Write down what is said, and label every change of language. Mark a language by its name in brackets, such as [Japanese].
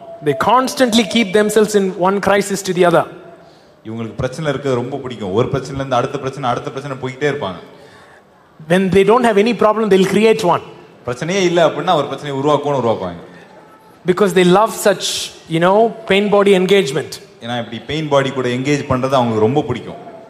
[English] They constantly keep themselves in one crisis to the other. [Tamil] இவங்களுக்கு பிரச்சனை இருக்கிறது ரொம்ப பிடிக்கும். ஒரு பிரச்சனை இருந்து அடுத்த பிரச்சனை அடுத்த பிரச்சனை போயிட்டே இருப்பாங்க. [English] When they don't have any problem, they'll create one. [Tamil] பிரச்சனையே இல்ல அப்படினா ஒரு பிரச்சனை உருவாக்குவாங்க. [English] Because they love such, you know, pain body engagement. [Tamil] ஏனா இப்படி pain body கூட engage பண்றது அவங்களுக்கு ரொம்ப பிடிக்கும்.